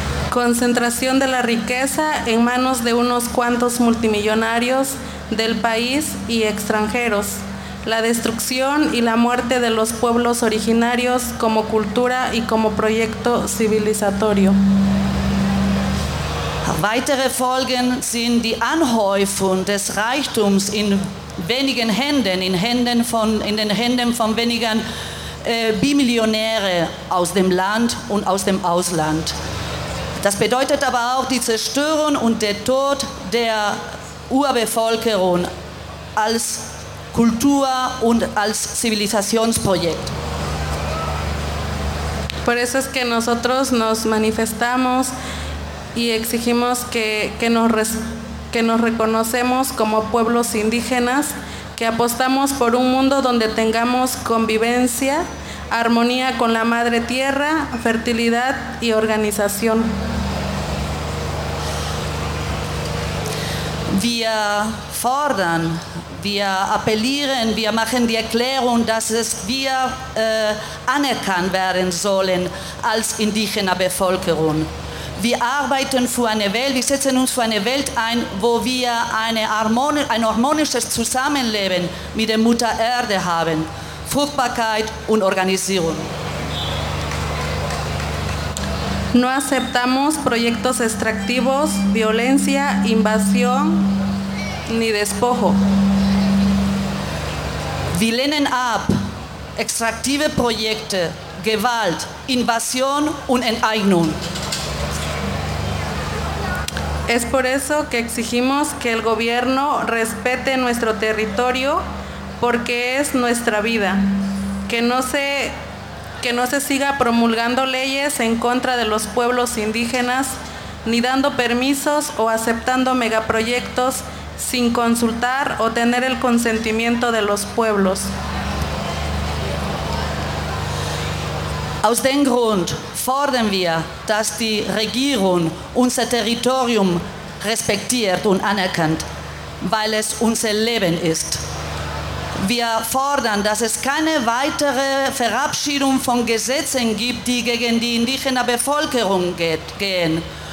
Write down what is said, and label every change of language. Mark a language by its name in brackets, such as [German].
[Spanish] Konzentration de la riqueza en manos de unos cuantos multimillonarios del país y extranjeros. La destrucción y la muerte de los pueblos originarios como cultura y como proyecto civilizatorio. [German] Weitere Folgen sind die Anhäufung des Reichtums in wenigen Händen, in den Händen von wenigen Bimillionären aus dem Land und aus dem Ausland. Das bedeutet aber auch die Zerstörung und der Tod der Urbevölkerung als Kultur und als Zivilisationsprojekt. [Spanish] Por eso es que nosotros nos manifestamos y exigimos que nos reconocemos como pueblos indígenas, que apostamos por un mundo donde tengamos convivencia, armonía con la madre tierra, fertilidad y organización. [German] Wir fordern, wir appellieren, wir machen die Erklärung, dass es wir anerkannt werden sollen als indigene Bevölkerung. Wir arbeiten für eine Welt, wir setzen uns für eine Welt ein, wo wir ein harmonisches Zusammenleben mit der Mutter Erde haben, Fruchtbarkeit und Organisierung. [Spanish] No aceptamos proyectos extractivos, violencia, invasión ni despojo. [German] Wir lehnen ab extraktive Projekte, Gewalt, Invasion und Enteignung. [Spanish] Es por eso que exigimos que el gobierno respete nuestro territorio porque es nuestra vida. Que no se siga promulgando leyes en contra de los pueblos indígenas, ni dando permisos o aceptando megaproyectos sin consultar o tener el consentimiento de los pueblos. [German] Aus dem Grund fordern wir, dass die Regierung unser Territorium respektiert und anerkennt, weil es unser Leben ist. Wir fordern, dass es keine weitere Verabschiedung von Gesetzen gibt, die gegen die indigene Bevölkerung gehen.